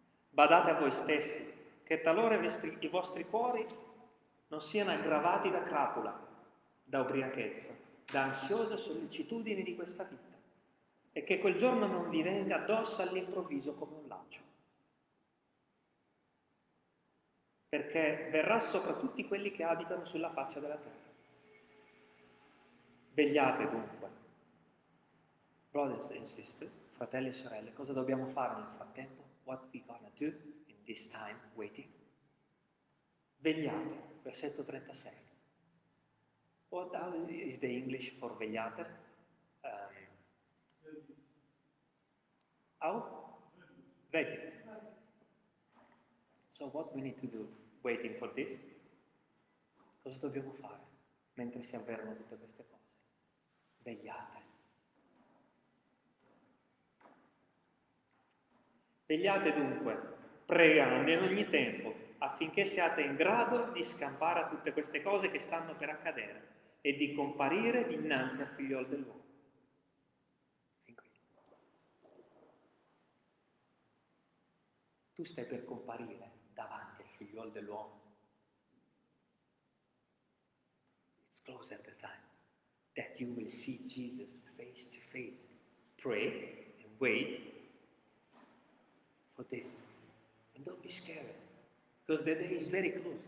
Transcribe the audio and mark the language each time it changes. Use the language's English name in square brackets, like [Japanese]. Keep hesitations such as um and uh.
[Italian] Badate a voi stessi che talora vestri, i vostri cuori non siano aggravati da crapula, da ubriachezza, da ansiose sollecitudini di questa vita, e che quel giorno non vi venga addosso all'improvviso come un laccio. perché verrà sopra tutti quelli che abitano sulla faccia della terra. Vegliate dunque. [English] Brothers and sisters, [Italian] fratelli e sorelle, cosa dobbiamo fare nel frattempo? [English] What we gonna do in this time waiting? [Italian] Vegliate, versetto 36. [English] What is the English for vegliate? Um, how? Vedit. So what we need to do? waiting for this? [Italian] Cosa dobbiamo fare mentre si avverano tutte queste cose? Vegliate. Vegliate dunque, pregando in ogni tempo, affinché siate in grado di scampare a tutte queste cose che stanno per accadere e di comparire dinanzi al figliol dell'uomo. Tu stai per comparire davanti al figliuolo dell'uomo. [English] It's closer the time that you will see Jesus face to face. Pray and wait for this. And don't be scared, because the day is very close.